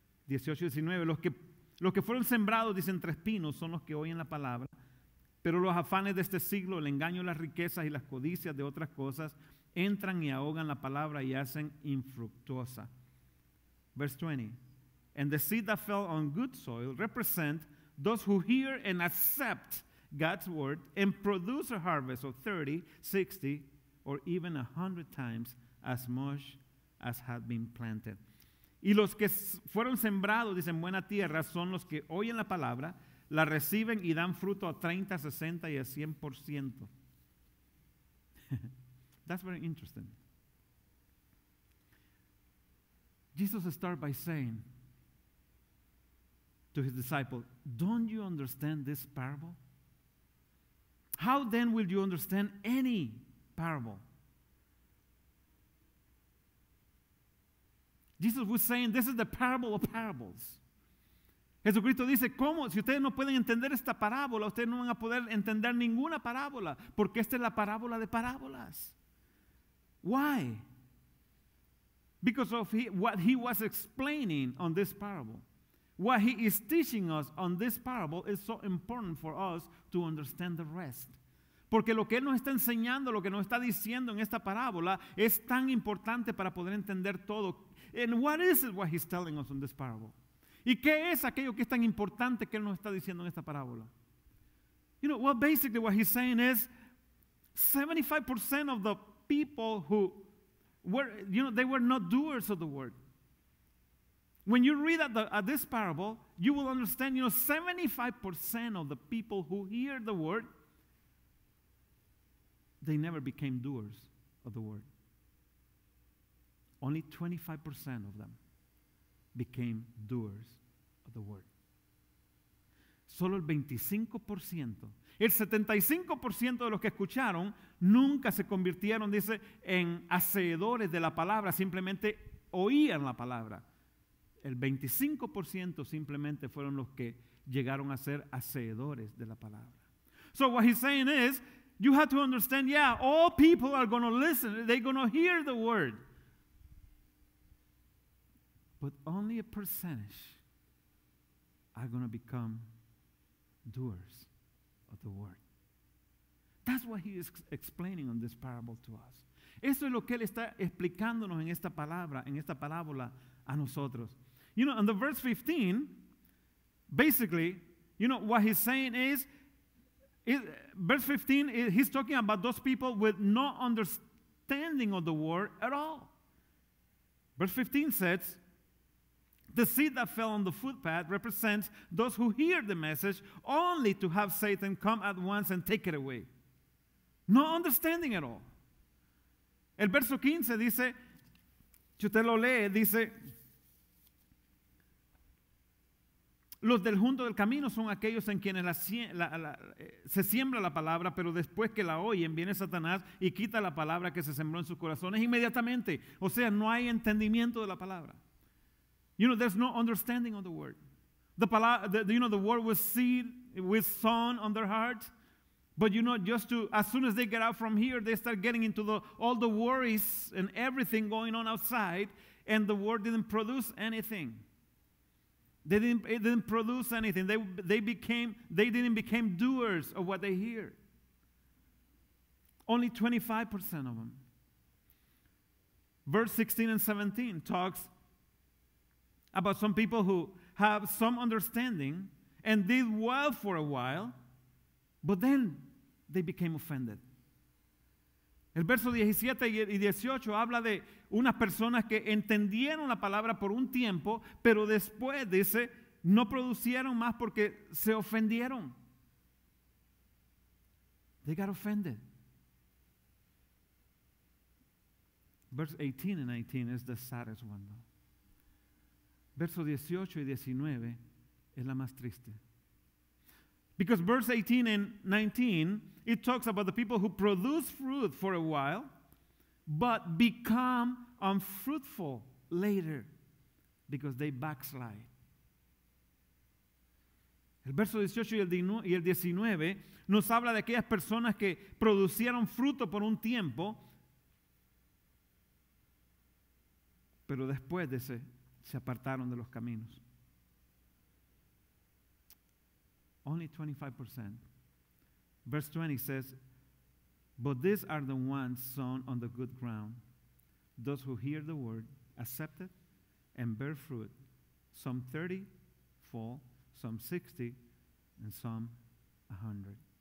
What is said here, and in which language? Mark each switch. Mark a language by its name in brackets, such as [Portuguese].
[Spanish] 18, 19, los que fueron sembrados, dicen, entre espinos, son los que oyen la palabra, pero los afanes de este siglo, el engaño, las riquezas y las codicias de otras cosas, entran y ahogan la palabra y hacen infructuosa. [English] Verse 20, and the seed that fell on good soil represent those who hear and accept God's word and produce a harvest of 30, 60, or even 100 times as much as had been planted. [Spanish] Y los que fueron sembrados, dicen, buena tierra, son los que oyen la palabra, la reciben y dan fruto a 30, 60, y a 100%. [English] That's very interesting. Jesus starts by saying to his disciple, don't you understand this parable? How then will you understand any parable? Jesus was saying, this is the parable of parables. [Spanish] Jesucristo dice, ¿cómo? Si ustedes no pueden entender esta parábola, ustedes no van a poder entender ninguna parábola, porque esta es la parábola de parábolas. [English] Why? Because of what he was explaining on this parable. What he is teaching us on this parable is so important for us to understand the rest. [Spanish] Porque lo que él nos está enseñando, lo que nos está diciendo en esta parábola, es tan importante para poder entender todo. [English] And what is it what he's telling us on this parable? [Spanish] ¿Y qué es aquello que es tan importante que él nos está diciendo en esta parábola? [English] You know, well, basically what he's saying is 75% of the people who were, you know, they were not doers of the word. When you read at this parable, you will understand, you know, 75% of the people who hear the word, they never became doers of the word. Only 25% of them became doers of the word. [Spanish] Solo el 25%, el 75% de los que escucharon nunca se convirtieron, dice, en hacedores de la palabra, simplemente oían la palabra. El 25% simplemente fueron los que llegaron a ser hacedores de la palabra. [English] So what he's saying is, you have to understand, yeah, all people are going to listen. They're going to hear the word. But only a percentage are going to become doers of the word. That's what he is explaining on this parable to us. [Spanish] Eso es lo que él está explicándonos en esta palabra, en esta parábola a nosotros. [English] You know, in the verse 15, basically, you know, what he's saying is, verse 15, he's talking about those people with no understanding of the word at all. Verse 15 says, the seed that fell on the footpath represents those who hear the message only to have Satan come at once and take it away. No understanding at all. [Spanish] El verso 15 dice, si usted lo lee, dice, los del junto del camino son aquellos en quienes se siembra la palabra, pero después que la oyen, viene Satanás y quita la palabra que se sembró en sus corazones inmediatamente. O sea, no hay entendimiento de la palabra. [English] You know, there's no understanding of the word. The word was seed, with sun on their heart. But you know, just to, as soon as they get out from here, they start getting into the, all the worries and everything going on outside, and the word didn't produce anything. It didn't produce anything. They didn't become doers of what they hear. Only 25% of them. Verse 16 and 17 talks about some people who have some understanding and did well for a while, but then they became offended. [Spanish] El verso 17 y 18 habla de unas personas que entendieron la palabra por un tiempo, pero después, dice, no producieron más porque se ofendieron. [English] They got offended. Verse 18 and 19 is the saddest one, though. [Spanish] Verso 18 y 19 es la más triste. [English] Because verse 18 and 19, it talks about the people who produce fruit for a while, but become unfruitful later because they backslide. [Spanish] El verso 18 y el 19 nos habla de aquellas personas que producieron fruto por un tiempo, pero después de ese, se apartaron de los caminos. [English] Only 25%. Verse 20 says, but these are the ones sown on the good ground, those who hear the word, accept it, and bear fruit, some 30 fall, some 60, and some 100.